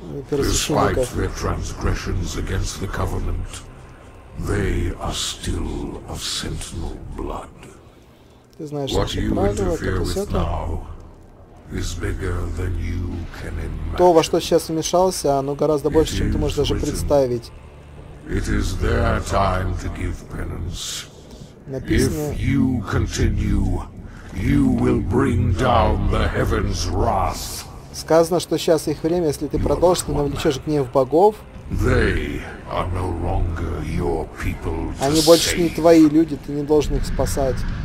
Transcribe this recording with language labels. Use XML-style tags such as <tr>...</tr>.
<en>Despite their transgressions against the Covenant, they are still of Sentinel blood. What you interfere with now is bigger than you can imagine.</en> <ru>То, во что сейчас вмешался, оно гораздо больше, чем ты можешь даже представить.</ru> <en>It is their time to give penance. If you continue, you will bring down the heaven's wrath.</en> <ru>Сказано, что сейчас их время, если ты продолжишь, ты навлечешь гнев богов. Они больше не твои люди, ты не должен их спасать.</ru>